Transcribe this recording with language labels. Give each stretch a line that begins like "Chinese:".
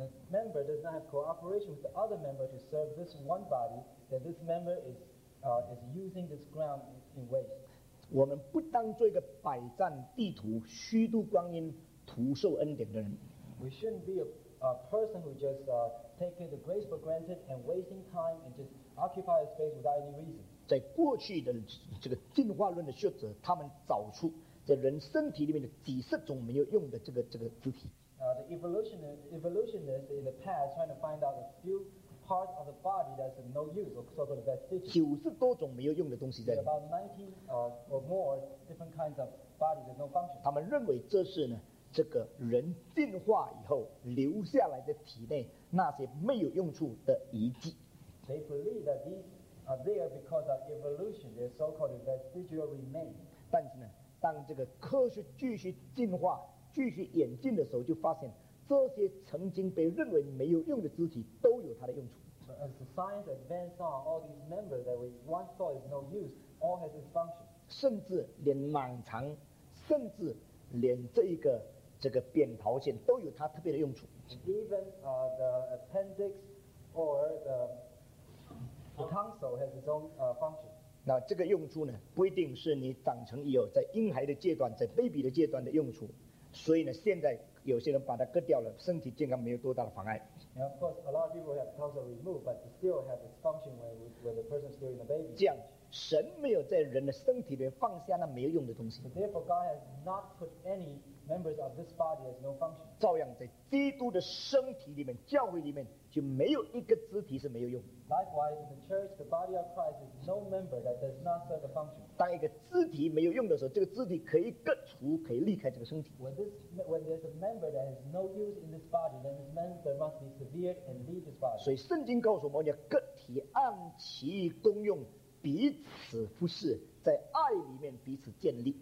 English: a member does not have cooperation with the other member to serve this one body, then this member is using this ground in waste.
Chinese: 我们不当做一个百战地图、虚度光阴、徒受恩典的人。
English: We shouldn't be a person who just take the grace for granted and wasting time and just occupy a space without any reason.
Chinese: 在过去的这个进化论的学者，他们找出在人身体里面的几十种没有用的这个肢体。
English: The evolutionists in the past trying to find out a few parts of the body that's of no use, or sort of vestiges.
Chinese: 九十多种没有用的东西在里面。
English: About 90 or more different kinds of bodies with no function.
Chinese: 他们认为这是呢。这个人进化以后留下来的体内那些没有用处的遗迹。
English: They believe that these are there because of evolution, their so-called vestigial remains.
Chinese: 但是呢，当这个科学继续进化、继续演进的时候，就发现这些曾经被认为没有用的肢体都有它的用处。
English: But as the science advances on, all these members that we once thought is no use, all has its function.
Chinese: 甚至连盲肠，甚至连这个扁桃腺都有它特别的用处。
English: Even the appendix or the tonsil has its own function.
Chinese: 那这个用处呢，不一定是你长成以后在婴孩的阶段、在 baby 的阶段的用处。所以呢，现在有些人把它割掉了，身体健康没有多大的妨碍。
English: And of course, a lot of people have tonsil removed, but still have its function when the person is still in the baby.
Chinese: 这样。神没有在人的身体里面放下那没有用的东西。
English: Therefore, God has not put any members of this body as no function.
Chinese: 照样在基督的身体里面、教会里面，就没有一个肢体是没有用。
English: Likewise, in the church, the body of Christ is no member that does not serve a function.
Chinese: 当一个肢体没有用的时候，这个肢体可以割除，可以离开这个身体。
English: When there's a member that has no use in this body, then this member must be severed and leave this body.
Chinese: 所以圣经告诉我们，要个体按其功用。彼此服侍，在爱里面彼此建立。